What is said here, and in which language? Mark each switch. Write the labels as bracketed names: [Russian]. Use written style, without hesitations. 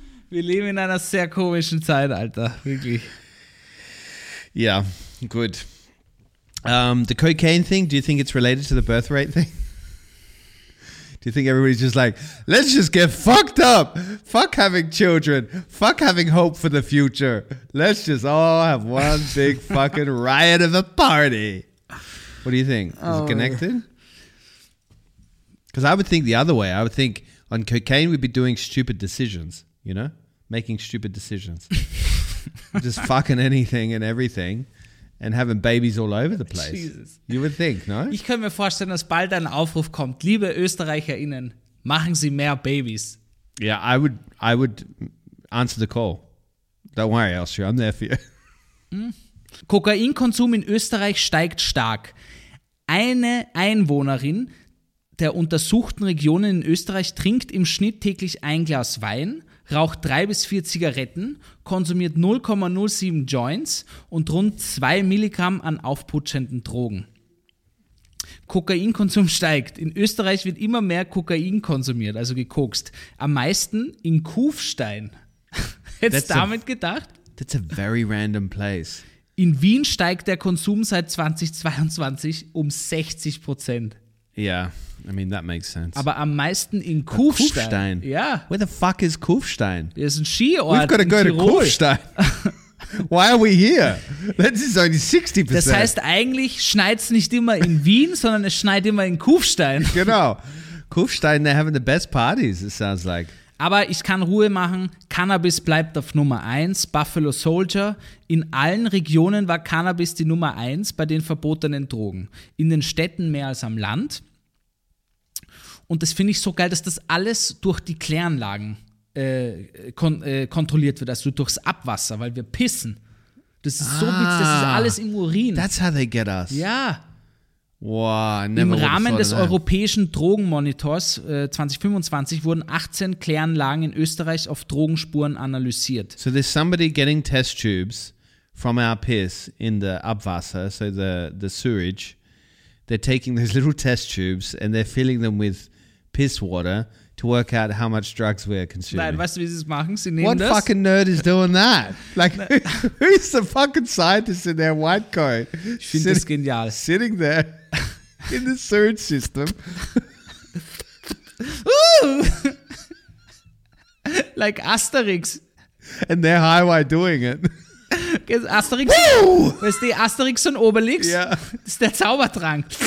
[English] We live in [German] einer sehr komischen Zeit, Alter, wirklich. [English] Yeah, good. The cocaine thing, do you think it's related to the birth rate thing? Do you think everybody's just like, let's just get fucked up. Fuck having children. Fuck having hope for the future. Let's just all have one big fucking riot of a party. What do you think? Is it connected? Because I would think the other way. I would think on cocaine, we'd be doing stupid decisions, you know, making stupid decisions. Just fucking anything and everything and having babies all over the place. Jesus. You would think, no? [German] Ich kann mir vorstellen, dass bald ein Aufruf kommt. Liebe ÖsterreicherInnen, machen Sie mehr Babies. [English] Yeah, I would answer the call. Don't worry, Austria, I'm there for you. [German] Kokainkonsum in Österreich steigt stark. Eine Einwohnerin der untersuchten Regionen in Österreich trinkt im Schnitt täglich ein Glas Wein, raucht 3-4 Zigaretten, konsumiert 0,07 Joints und rund 2 Milligramm an aufputschenden Drogen. Kokainkonsum steigt. In Österreich wird immer mehr Kokain konsumiert, also gekokst. Am meisten in Kufstein. Hättest du damit gedacht? [English] That's a very random place. [German] In Wien steigt der Konsum seit 2022 um 60%. [English] Yeah, I mean, that makes sense. [German] Aber am meisten in Kufstein. Kufstein. [English] Yeah. Where the fuck is Kufstein? [German] Das ist ein Skiort. [English] We've got to go to Kufstein. Why are we here? That is only 60%. [German] Das heißt, eigentlich schneit es nicht immer in Wien, sondern es schneit immer in Kufstein. Genau. [English] Kufstein, they're having the best parties, it sounds like. [German] Aber ich kann Ruhe machen. Cannabis bleibt auf Nummer 1. Buffalo Soldier. In allen Regionen war Cannabis die Nummer 1 bei den verbotenen Drogen. In den Städten mehr als am Land. Und das finde ich so geil, dass das alles durch die Kläranlagen kontrolliert wird. Also durchs Abwasser, weil wir pissen. Das ist so witzig. Das ist alles im Urin. [English] That's how they get us. [German] Ja. Wow, im Rahmen des europäischen Drogenmonitors 2025 wurden 18 Kläranlagen in Österreich auf Drogenspuren analysiert. [English] So there's somebody getting test tubes from our piss in the Abwasser, so the sewage. They're taking those little test tubes and they're filling them with piss water to work out how much drugs we are consuming. [German] Nein, weißt du, wie sie es machen? Sie nehmen das. [English] What fucking nerd is doing that? Like, who's the fucking scientist in their white coat? [German] Ich finde das genial. [English] Sitting there in the sewage system. Like Asterix. And they're high while doing it. [German] Asterix, weißt du, Asterix und Obelix? Ja. Das ist der Zaubertrank.